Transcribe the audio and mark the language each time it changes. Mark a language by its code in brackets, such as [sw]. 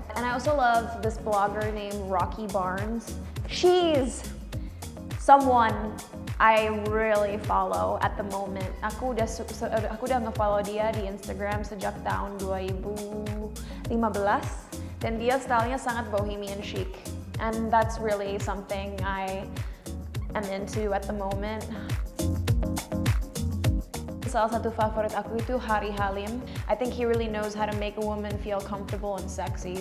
[en] And I also love this blogger named Rocky Barnes. She's someone I really follow at the moment. [id] Aku udah nge-follow dia di Instagram sejak tahun 2015. Dan dia stylenya sangat bohemian chic. [en] And that's really something I am into at the moment. [id] Salah satu favorit aku itu Hari Halim. [en] I think he really knows how to make a woman feel comfortable and sexy.